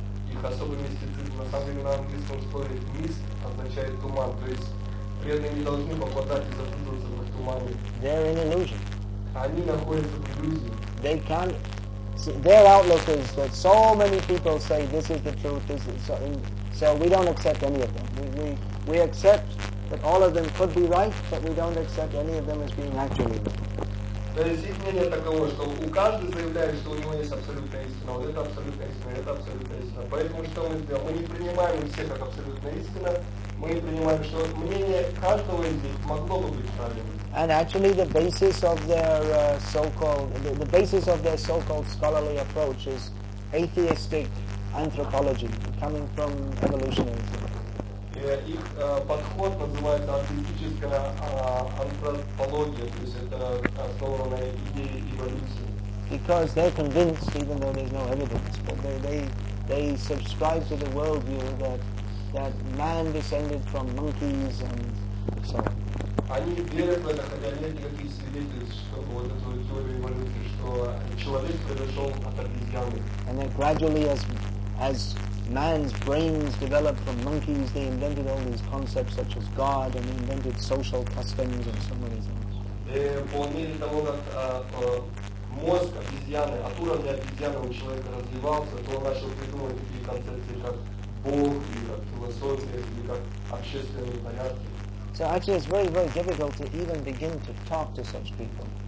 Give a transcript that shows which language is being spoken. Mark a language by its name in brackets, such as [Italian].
[Russian] Их особый мистицизм. На самом деле, на английском слове mist означает туман, то есть преданные не должны попадать и запутаться в эту магию. [English] They are in illusion. [Russian] Они находятся в иллюзии. [English] They can't. Their outlook is that so many people say this is the truth. This is so. So we don't accept any of them. We accept that all of them could be right, but we don't accept any of them as being actually right. [Russian] То есть их мнение таково, что у каждого заявляет, что у него есть абсолютная истина. Вот это абсолютная истина, это абсолютная истина. Поэтому что мы сделаем? Мы не принимаем их все как абсолютная истина. Мы не принимаем, что мнение каждого из них могло бы быть правильным. [English] And actually the basis of their so-called, the basis of their so-called scholarly approach is atheistic anthropology, coming from evolutionism. [Russian] Их подход называется атеистическая антропология, то есть это основано на идее эволюции. [English] Because they're convinced, even though there's no evidence, but they subscribe to the worldview that man descended from monkeys and so on. [Russian] Они верят в это, хотя нет никаких свидетельств, что вот эту теорию эволюции, что человек произошел от обезьяны. [English] And then gradually as man's brains developed from monkeys, they invented all these concepts such as God, and they invented social customs and so many things. [Russian] И по мере того, как мозг обезьяны, от уровня обезьяны у человека развивался, то он начал придумывать такие концепции, как Бог, и как философия, и как общественные порядки. [English] So actually it's very, very difficult to even begin to talk to such people.